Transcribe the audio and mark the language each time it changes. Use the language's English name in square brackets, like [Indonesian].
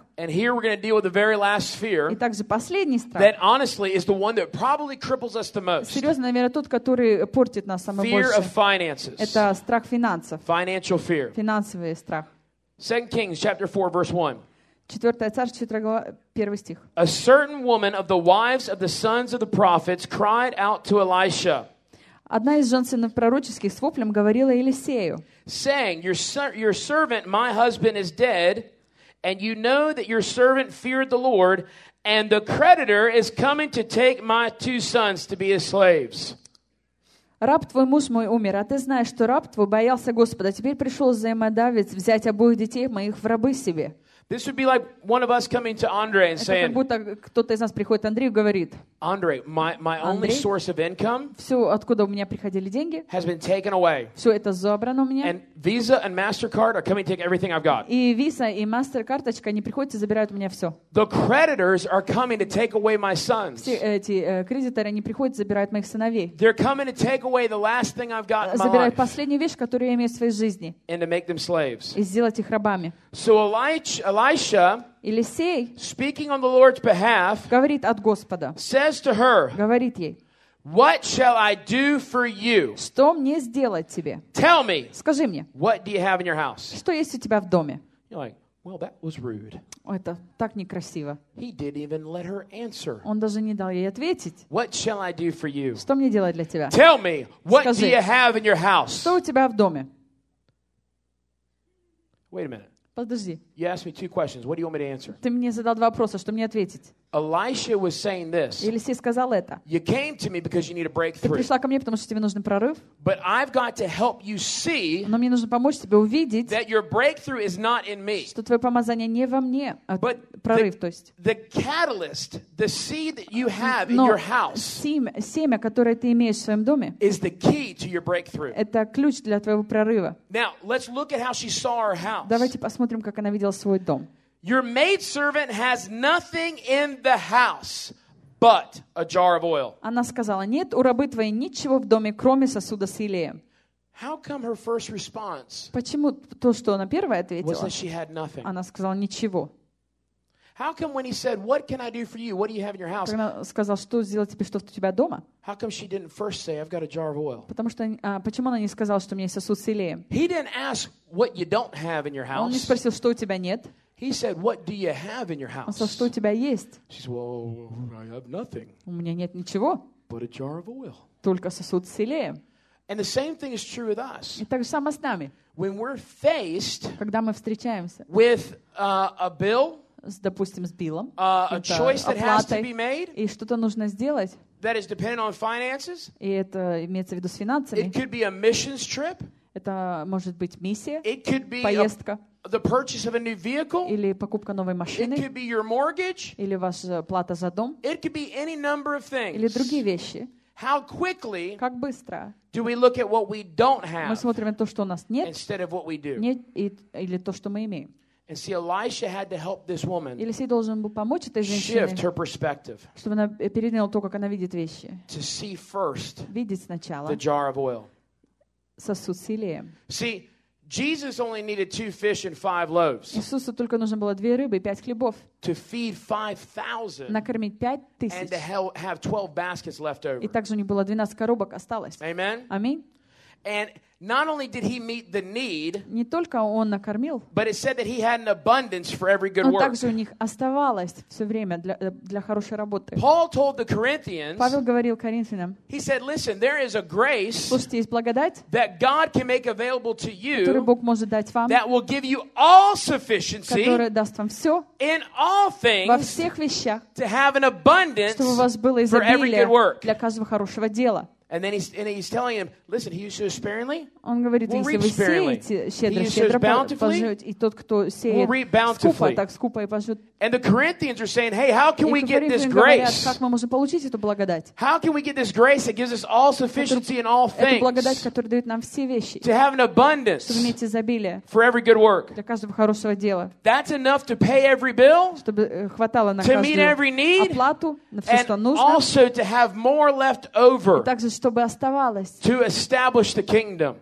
[English] And here we're going to deal with the very last fear that honestly is the one that probably cripples us the most. [Russian] Серьезно, наверное, тот, который портит нас самое больше. [English] Fear of finances. [Russian] Это страх финансов. [English] Financial fear. [Russian] Финансовый страх. [English] 2 Kings chapter 4 verse 1. [Russian] Четвертая царь, четвертая глава, первый стих. [English] A certain woman of the wives of the sons of the prophets cried out to Elisha. [Russian] Одна из жен сынов пророческих с воплем говорила Елисею. [English] Saying, your servant, my husband, is dead, and you know that your servant feared the Lord, and the creditor is coming to take my two sons to be his slaves. [Russian] Раб твой, муж мой, умер, а ты знаешь, что раб твой боялся Господа. Теперь пришел взаимодавец взять обоих детей моих в рабы себе. [English] This would be like one of us coming to Andre and saying, [Russian] как будто кто-то из нас приходит Андрею и говорит, [English] Andre, my only source of income, [Russian] все, откуда у меня приходили деньги, [English] has been taken away. [Russian] Все это забрано у меня. [English] And Visa and MasterCard are coming to take everything I've got. [Russian] И Visa и MasterCardочка, они приходят и забирают у меня все. [English] The creditors are coming to take away my sons. [Russian] Все эти кредиторы, они приходят и забирают моих сыновей. [English] They're coming to take away the last thing I've got in my life. [Russian] Забирают последнюю вещь, которую я имею в своей жизни. [English] And to make them slaves. [Russian] И сделать их рабами. [English] So Elisha, [Russian] Елисей, [English] speaking on the Lord's behalf, [Russian] говорит от Господа, [English] says to her, [Russian] говорит ей, [English] what shall I do for you? [Russian] Что мне сделать тебе? [English] Tell me. [Russian] Скажи мне. [English] What do you have in your house? [Russian] Что есть у тебя в доме? [English] You're like, well, that was rude. [Russian] Ой, это так некрасиво. [English] He didn't even let her answer. [Russian] Он даже не дал ей ответить. [English] What shall I do for you? [Russian] Что мне делать для тебя? [English] Tell me. What [Russian] Скажи, [English] do you have in your house? [Russian] Что у тебя в доме? [English] Wait a minute. [Russian] Подожди. [English] You asked me two questions. What do you want me to answer? [Russian] Ты мне задал два вопроса. Что мне ответить? [English] Elisha was saying this. [Russian] Елисей сказал это. [English] You came to me because you need a breakthrough. [Russian] Ты пришла ко мне, потому что тебе нужен прорыв. [English] But I've got to help you see. [Russian] Но мне нужно помочь тебе увидеть. [English] That your breakthrough is not in me. [Russian] Что твое помазание не во мне, а [English] but [Russian] прорыв, [English] the, [Russian] то есть. [English] The catalyst, the seed that you have in your house. [Russian] Семя, которое ты имеешь в своем доме. [English] Is the key to your breakthrough. [Russian] Это ключ для твоего прорыва. [English] Now let's look at how she saw our house. [Russian] Давайте посмотрим. Смотрим, как она видела свой дом. [English] Your maid servant has nothing in the house but a jar of oil. [Russian] Она сказала: нет у рабы твоей ничего в доме, кроме сосуда с елеем. [English] How come her first response? [Russian] Почему то, что она первая ответила? [English] Was that she had nothing? [Russian] Она сказала: ничего. [English] How come when he said, "What can I do for you? What do you have in your house?" [Russian] Она сказала: что сделать тебе, что у тебя дома? [English] How come she didn't first say, "I've got a jar of oil"? [Russian] Потому что почему она не сказала, что у меня есть сосуд с елеем? [English] He didn't ask what you don't have in your house. [Russian] Он не спросил, что у тебя нет. [English] He said, "What do you have in your house?" [Russian] Он сказал, что у тебя есть. [English] She said, "Well, I have nothing." [Russian] У меня нет ничего. [English] But a jar of oil. [Russian] Только сосуд с елеем. [English] And the same thing is true with us. [Russian] И так же самое с нами. [English] When we're faced, [Russian] когда мы встречаемся, [English] with a bill. [Russian] С, допустим, с Биллом, [English] a choice that [Russian] оплатой, [English] has to be made, [Russian] и что-то нужно сделать, [English] that is dependent on finances, [Russian] и это имеется в виду с финансами, [English] it could be a missions trip, [Russian] Это может быть миссия, поездка. [English] The purchase of a new vehicle. [Russian] Или покупка новой машины. [English] It could be your mortgage. [Russian] Или ваша плата за дом. [English] It could be any number of things. [Russian] Или другие вещи. [English] How quickly? [Russian] Как быстро? [English] Do we look at what we don't have? [Russian] Мы смотрим на то, что у нас нет. [English] Instead of what we do. [Russian] Нет или то, что мы имеем. [English] And see, Elisha had to help this woman. [Russian] Елисей должен был помочь этой женщине. [English] Shift her perspective. [Russian] Чтобы она переняла то, как она видит вещи. [English] To see first. [Russian] Видеть сначала. [English] The jar of oil. [Russian] Сосуд с елеем. [English] See. Jesus only needed 2 fish and 5 loaves. [Russian] Иисусу только нужно было 2 рыбы и 5 хлебов. [English] To feed 5,000. [Russian] Накормить 5,000. [English] And to have 12 baskets left over. [Russian] И также у него было 12 коробок осталось. [English] Amen. [Russian] Аминь. [English] And not only did he meet the need. [Russian] Не только он накормил. [English] But it said that he had an abundance for every good work. [Russian] Но также у них оставалось все время для хорошей работы. [English] Paul told the Corinthians. [Russian] Павел говорил коринфянам. [English] He said, "Listen, there is a grace. [Russian] Слушайте, есть благодать. [English] That God can make available to you. [Russian] Которую Бог может дать вам. [English] That will give you all sufficiency. [Russian] Которая даст вам все. [English] In all things. [Russian] Во всех вещах. [English] To have an abundance. [Russian] Чтобы у вас было изобилие. [English] For every good work. [Russian] Для каждого хорошего дела. [English] And then he's telling him, listen, he who sows sparingly, [Russian] он говорит, [English] will [Russian] если [English] reap sparingly. [Russian] Щедро, [English] he who sows bountifully, [Russian] и тот, кто сеет, [English] will reap bountifully. [Russian] Скупо, так, скупо и пожнет. [English] And the Corinthians are saying, hey, how can we get this grace? [Russian] Как мы можем получить эту благодать? [English] How can we get this grace that gives us all sufficiency in all things? [Russian] Эту благодать, которая дает нам все вещи. [English] To have an abundance. [Russian] Чтобы иметь изобилие. [English] For every good work. [Russian] Для каждого хорошего дела. [English] That's enough to pay every bill. [Russian] Чтобы хватало на каждую оплату. [English] To meet every need. [Russian] Оплату, на все, что нужно. [English] And also to have more left over. [Russian] Чтобы оставалось. [English] To establish the kingdom.